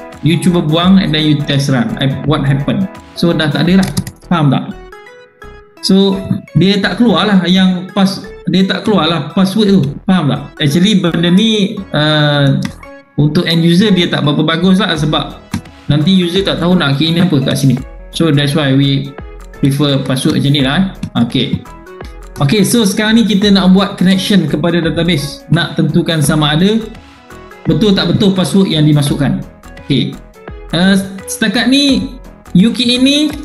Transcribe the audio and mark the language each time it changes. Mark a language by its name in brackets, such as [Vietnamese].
[English] You [Malay] cuba buang [English] and then you test run what happen. [Malay] So dah tak ada lah. Faham tak? So dia tak keluar lah yang pas. Dia tak keluar lah password tu. Faham tak? Actually benda ni untuk end user dia tak berapa bagus lah. Sebab nanti user tak tahu nak key in apa kat sini. [English] So that's why we prefer password [Malay] macam ni lah. Okay. Okay, so sekarang ni kita nak buat connection kepada database. Nak tentukan sama ada betul tak betul password yang dimasukkan. Okay, setakat ni you key in ni.